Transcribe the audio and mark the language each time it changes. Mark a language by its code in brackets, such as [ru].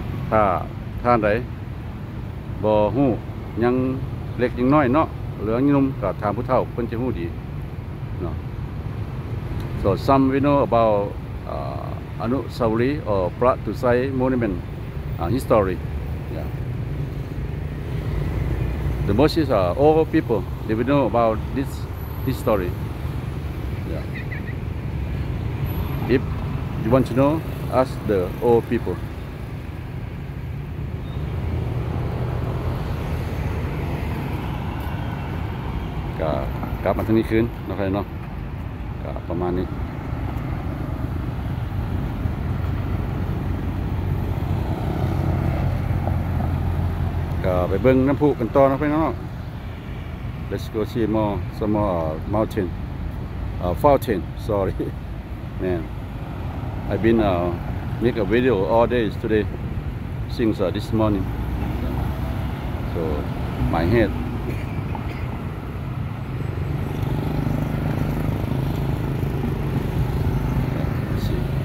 [tts] ถ้าท่านใดบ่ฮู้ยังเล็กยังน้อยเนาะเหลืองยังหนุ่มก็ถามผู้เฒ่าเพิ่นจะฮู้ดีเนาะ [en] So some we know about อนุสาวรีย์ or พระตุไซมอนิเมนต์ history yeah. The most is all people they will know about this historyYeah. If you want to know, ask the old people. [tts] ก็กลับมาทางนี้คืนนะครับเนาะก็ประมาณนี้ก็ไปเบิ่งน้ำพุกันต่อนะครับเนาะ [en] Let's go see more some more mountainfountain, sorry, man. I've been make a video all day today, since this morning. So my head. Let's see.